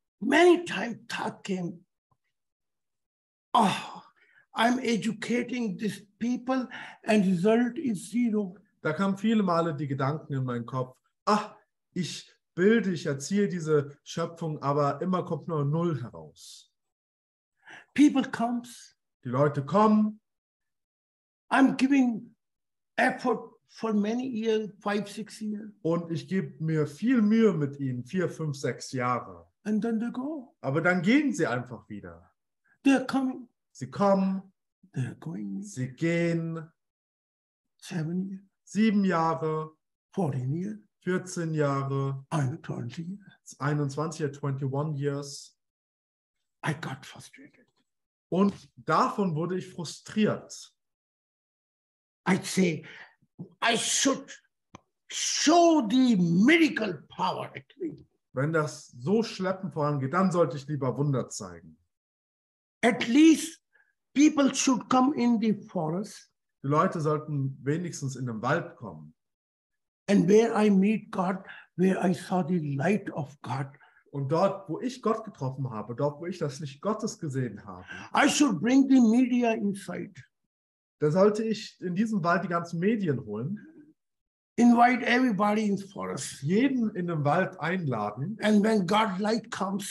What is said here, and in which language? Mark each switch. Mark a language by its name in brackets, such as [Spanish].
[English] Many times thought came, oh, I'm educating these people and result is zero. [German] Da kamen viele Male die Gedanken in meinen Kopf. Ach, ich bilde, ich erziehe diese Schöpfung, aber immer kommt nur Null heraus. [English] People comes. [German] Die Leute kommen. [English] I'm giving effort for many years, 5-6 years. [German] Und ich gebe mir viel Mühe mit ihnen, 4, 5, 6 Jahre. [English] And then they go. [German] Aber dann gehen sie einfach wieder. [English] They're coming. [German] Sie kommen. [English] They're going. [German] Sie gehen. [English] 7 years. [German] 7 Jahre. [English] 14 years. [German] 14 Jahre. 21 [English] years. 21 or 21 years. I got frustrated. [German] Und davon wurde ich frustriert. [English] I say, I should show the miracle power. [German] Wenn das so schleppend vorangeht, dann sollte ich lieber Wunder zeigen. [English] At least people should come in the forest. [German] Die Leute sollten wenigstens in den Wald kommen. [English] And where I meet God, where I saw the light of God. [German] Und dort, wo ich Gott getroffen habe, dort, wo ich das Licht Gottes gesehen habe. [English] I should bring the media inside. [German] Da sollte ich in diesem Wald die ganzen Medien holen. [English] Invite everybody in the forest. [German] Jeden in den Wald einladen. [English] And when God light comes,